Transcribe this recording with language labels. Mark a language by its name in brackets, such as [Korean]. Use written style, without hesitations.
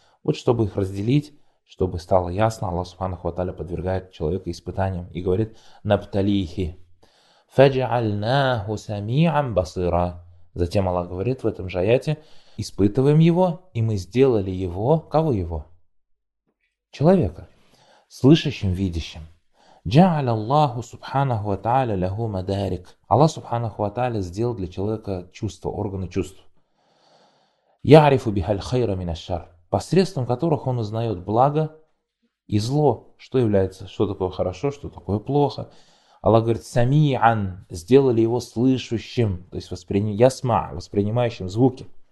[Russian] Вот чтобы их разделить, чтобы стало ясно, Аллах Субханаху ва Тааля подвергает человека испытаниям и говорит «Набталихи». [Arabic] «Фаджальнаху самиам басыра». [Russian] Затем Аллах говорит в этом же аяте «Испытываем его, и мы сделали его». Кого его? Человека. Слышащим, видящим. [Arabic] جعل الله سبحانه وتعالى له مدارك. [Russian] Аллах سبحانه وتعالى сделал для человека чувства, органы чувств. [Arabic] يعرف بها الخير من الشر. [Russian] Посредством которых он узнает благо и зло, что является, что такое хорошо, что такое плохо. Аллах говорит: "Самиан", сделали его слышащим, то есть воспринимающим звуки.